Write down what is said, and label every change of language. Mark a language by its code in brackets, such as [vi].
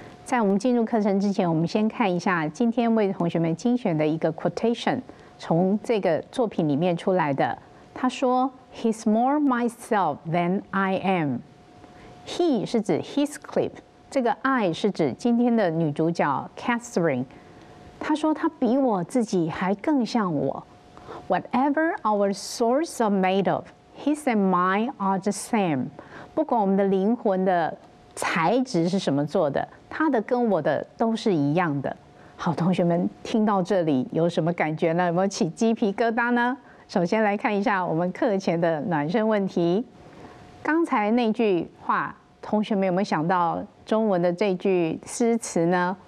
[zh] 在我们进入课程之前，我们先看一下今天为同学们精选的一个 quotation， 从这个作品里面出来的。他说 [en] ：“He's more myself than I am。 [zh] ”He 是指 Heathcliff， 这个 I 是指今天的女主角 Catherine。他说他比我自己还更像我。 [en] Whatever our souls are made of, his and mine are the same。 [zh] 不管我们的灵魂的材质是什么做的，他的跟我的都是一样的。好，同学们听到这里有什么感觉呢？有没有起鸡皮疙瘩呢？首先来看一下我们课前的暖身问题。刚才那句话，同学们有没有想到中文的这句诗词呢？